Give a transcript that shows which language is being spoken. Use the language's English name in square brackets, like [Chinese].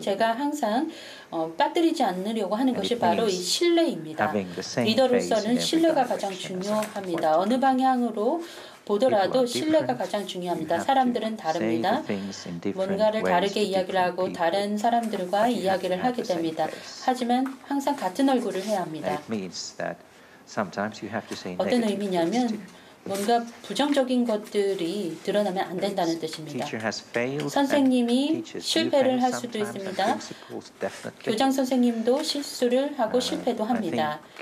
[Korean] 제가 항상 빠뜨리지 않으려고 하는 것이 바로 이 신뢰입니다. 리더로서는 신뢰가 가장 중요합니다. 어느 방향으로 보더라도 신뢰가 가장 중요합니다. 사람들은 다릅니다. 뭔가를 다르게 이야기를 하고 다른 사람들과 이야기를 하게 됩니다. 하지만 항상 같은 얼굴을 해야 합니다. [English] It means that sometimes you have to say [Korean] 어떤 의미냐면 뭔가 부정적인 것들이 드러나면 안 된다는 뜻입니다. 선생님이 실패를 할 수도 있습니다. 교장 선생님도 실수를 하고 실패도 합니다.